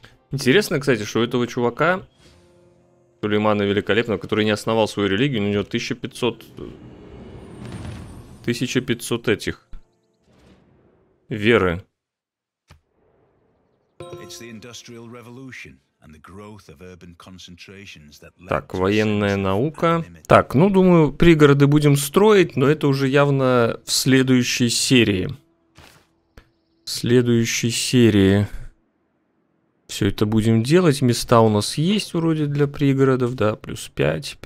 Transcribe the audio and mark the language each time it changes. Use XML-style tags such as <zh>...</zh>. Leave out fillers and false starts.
<ru>Интересно, кстати, что у этого чувака, Сулеймана Великолепного, который не основал свою религию, у него 1500 этих веры.</ru> <en>It's the industrial revolution and the growth of urban concentrations that led...</en> <ru>Так, военная наука. Так, ну думаю, пригороды будем строить, но это уже явно в следующей серии. В следующей серии. Все это будем делать. Места у нас есть вроде для пригородов, да, плюс 5.</ru>